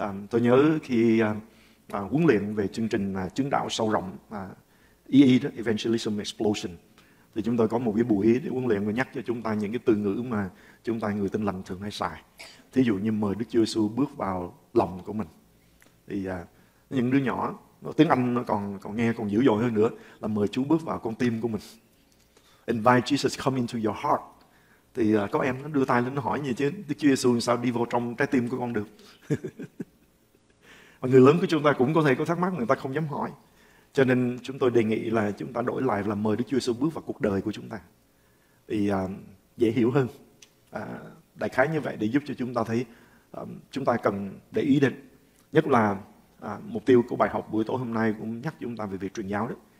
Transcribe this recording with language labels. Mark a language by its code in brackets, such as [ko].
[vi] Tôi nhớ khi huấn luyện về chương trình chứng đạo sâu rộng EE đó, Evangelism Explosion, thì chúng tôi có một cái buổi để huấn luyện và nhắc cho chúng ta những cái từ ngữ mà chúng ta người tinh lành thường hay xài. Thí dụ như mời Đức Chúa Giêsu bước vào lòng của mình. Thì những đứa nhỏ, tiếng Anh nó còn nghe còn dữ dội hơn nữa, là mời Chúa bước vào con tim của mình. [en] Invite Jesus come into your heart. [vi] Thì có em nó đưa tay lên, nó hỏi như chứ Đức Chúa Giêsu sao đi vào trong trái tim của con được. Và người lớn của chúng ta cũng có thể có thắc mắc, người ta không dám hỏi. Cho nên chúng tôi đề nghị là chúng ta đổi lại là mời Đức Chúa Giêsu bước vào cuộc đời của chúng ta. Thì dễ hiểu hơn. Đại khái như vậy để giúp cho chúng ta thấy chúng ta cần để ý đến, nhất là mục tiêu của bài học buổi tối hôm nay cũng nhắc chúng ta về việc truyền giáo đó.